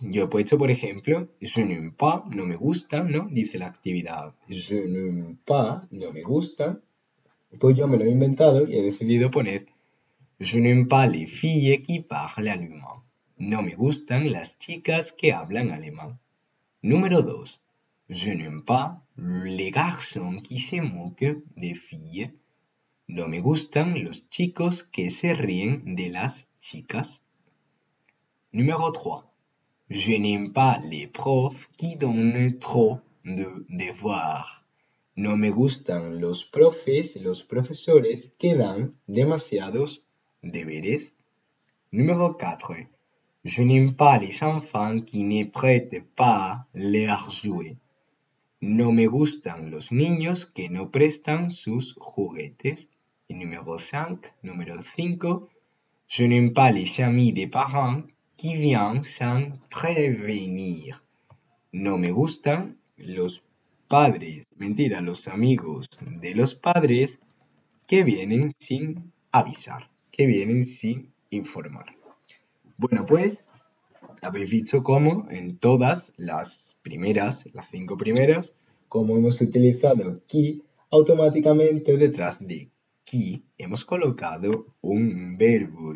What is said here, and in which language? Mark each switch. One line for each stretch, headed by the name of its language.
Spanish: Yo he puesto, por ejemplo,
French: je n'aime pas,
Spanish: no me gusta, ¿no? Dice la actividad.
French: Je n'aime pas,
Spanish: no me gusta. Pues yo me lo he inventado y he decidido poner
French: je n'aime pas les filles qui parlent allemand.
Spanish: No me gustan las chicas que hablan alemán. Número 2.
French: Je n'aime pas les garçons qui se moquent des filles.
Spanish: No me gustan los chicos que se ríen de las chicas. Número 3.
French: Je n'aime pas les profs qui donnent trop de devoirs.
Spanish: No me gustan los profes, los profesores que dan demasiados deberes. Número 4.
French: Je n'aime pas les enfants qui ne prêtent pas leurs jouets.
Spanish: No me gustan los niños que no prestan sus juguetes. Y número 5. Número 5.
French: Je n'aime pas les amis des parents qui viennent sans prévenir.
Spanish: No me gustan los padres, mentira, los amigos de los padres que vienen sin avisar, que vienen sin informar. Bueno, pues habéis visto cómo en todas las primeras, las cinco primeras, como hemos utilizado ki, automáticamente detrás de ki hemos colocado un verbo.